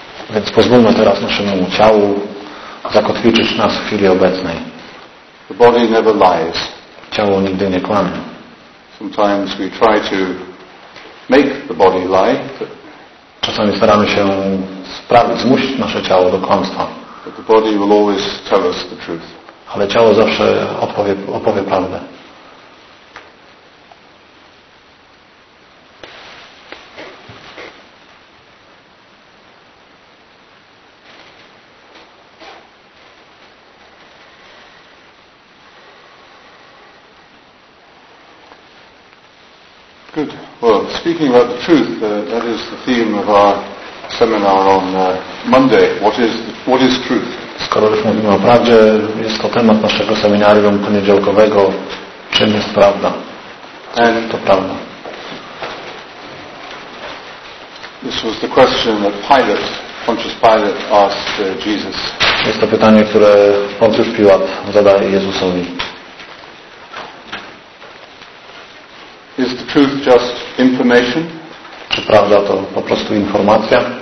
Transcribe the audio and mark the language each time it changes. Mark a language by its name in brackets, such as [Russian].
[Polish] Więc pozwólmy teraz naszemu ciału zakotwiczyć nas w chwili obecnej. [English] The body never lies. [Polish] Ciało nigdy nie kłamie. [English] Sometimes we try to make the body lie. [Polish] Czasami staramy się sprawić, zmusić nasze ciało do kłamstwa. [English] But the body will always tell us the truth. [Polish] Ale ciało zawsze opowie prawdę. [English] Good. Well, speaking about the truth, that is the theme of our seminar on Monday. What is truth? [Polish] Skoro już mówimy o prawdzie, jest to temat naszego seminarium poniedziałkowego. Czym jest prawda? [English] And [Polish] to prawda. [English] This was the question that Pontius Pilate asked Jesus. [Polish] Jest to pytanie, które Pontius Piłat zadaje Jezusowi. [English] Is the truth just information? [Polish] Czy prawda to po prostu informacja?